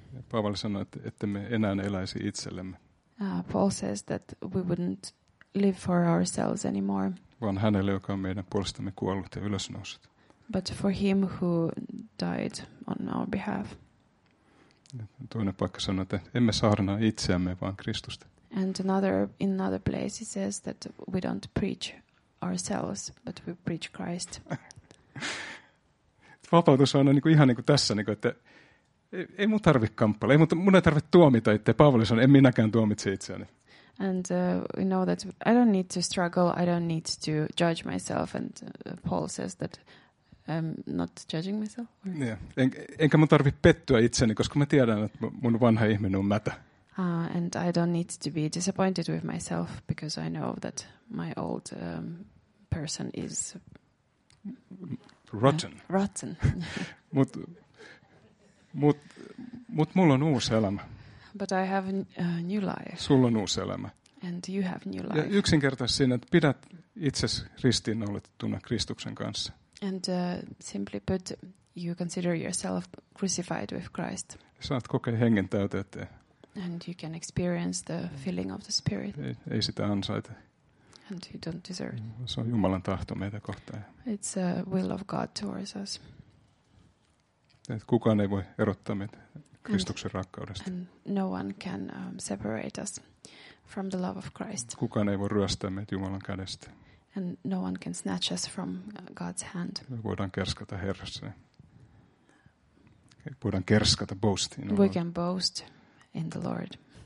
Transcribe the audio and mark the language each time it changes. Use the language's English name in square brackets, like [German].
[Finnish] Paavali sanoi, että me enää eläisi itsellemme. [English] Paul says that we wouldn't live for ourselves anymore. [Finnish] Vaan hänelle, joka on meidän puolestamme kuollut ja ylösnoussut. [English] But for him who died on our behalf. [Finnish] Toinen paikka sanoi, että emme saarna itseämme, vaan Kristusta. [English] And in another place he says that we don't preach ourselves, but we preach Christ. [Finnish] Vapautus on aina niin kuin, ihan niin kuin tässä, niin kuin, että ei mun tarvitse kamppailla, ei mun ei tarvitse tuomita itseä. Paavali sanoi, en minäkään tuomitse itseäni. [English] And we know that I don't need to struggle, I don't need to judge myself. And Paul says that I'm not judging myself. Yeah. [Finnish] Enkä mun tarvitse pettyä itseäni, koska mä tiedän, että mun vanha ihminen on mätä. [English] And I don't need to be disappointed with myself, because I know that my old person is... Rotten. Rotten. [Finnish] Mut mulla on uusi elämä. [English] But I have a new life. [Finnish] Sulla on uusi elämä. [English] And you have new life. [Finnish] Ja yksinkertaisesti siinä, että pidät itsesi ristiinnaulitettuna Kristuksen kanssa. [English] And simply put, you consider yourself crucified with Christ. [Finnish] Saat kokea hengen täyteyteen. [English] And you can experience the filling of the Spirit. [Finnish] Ei sitä ansaita. [English] And you don't deserve. [Finnish] Se on Jumalan tahto meitä kohtaan. [English] It's a will of God towards us. [Finnish] Et kukaan ei voi erottaa meitä Kristuksen rakkaudesta. [English] And no one can separate us from the love of Christ. [Finnish] Kukaan ei voi ryöstää meitä Jumalan kädestä. [English] And no one can snatch us from God's hand. [Finnish] Me voidaan kerskata Herrassa. Voidaan kerskata, [English] boast in the Lord. We can boast in the Lord.